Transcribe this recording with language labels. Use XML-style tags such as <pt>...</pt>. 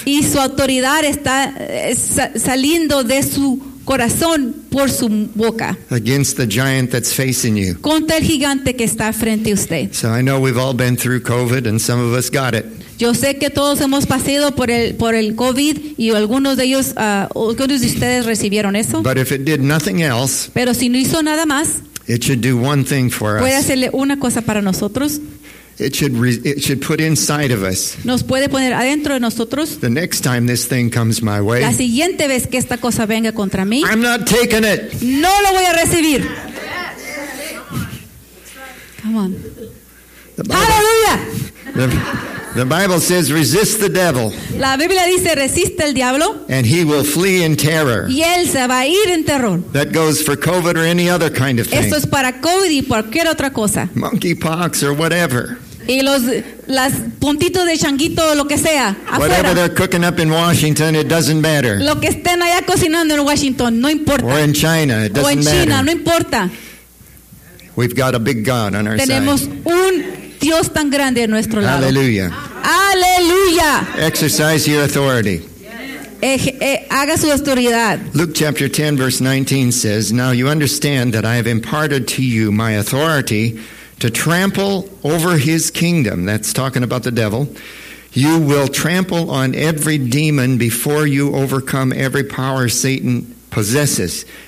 <es>Y su autoridad está saliendo de su corazón por su boca.</es> <en>Against the giant that's facing you.</en> <es>Contra el gigante que está frente a usted.</es> <en>So I know we've all been through COVID and some of us got it.</en> <es>Yo sé que todos hemos pasado por el COVID y algunos de ustedes recibieron eso.</es> <en>But if it did nothing else,</en> <es>pero si no hizo nada más,</es> <en>it should do one thing for us.</en> <es>Puede hacerle una cosa para nosotros.</es> <en>It should put inside of us.</en> <es>Nos puede poner adentro de nosotros.</es> <en>The next time this thing comes my way,</en> <es>la siguiente vez que esta cosa venga contra mí,</es> <en>I'm not taking it.</en> <es>No lo voy a recibir.</es> <en>Come on. Hallelujah. The Bible says, resist the devil.</en> <es>La Biblia dice, resiste al diablo.</es> <en>And he will flee in terror.</en> <es>Y él se va a ir en terror.</es> <en>That goes for COVID or any other kind of thing.</en> <es>Esto es para COVID y cualquier otra cosa.</es> <en>Monkeypox or whatever.</en> <es>Y las puntitos de changuito o lo que sea.</es> <en>Whatever</en> <es>afuera.</es> <en>They're cooking up in Washington, it doesn't matter.</en> <es>Lo que estén allá cocinando en Washington, no importa.</es> <en>Or in China, it doesn't matter.</en> <es>O en China, no importa.</es> <en>We've got a big God on our</en> <es>tenemos</es> <en>side.</en> <es>Tenemos un Dios tan grande a nuestro lado. Aleluya. Aleluya.</es> <en>Exercise your authority.</en> <es>Haga su autoridad.</es> <en>Luke chapter 10 verse 19 says, now you understand that I have imparted to you my authority to trample over his kingdom. That's talking about the devil. You will trample on every demon before you overcome every power Satan possesses.</en>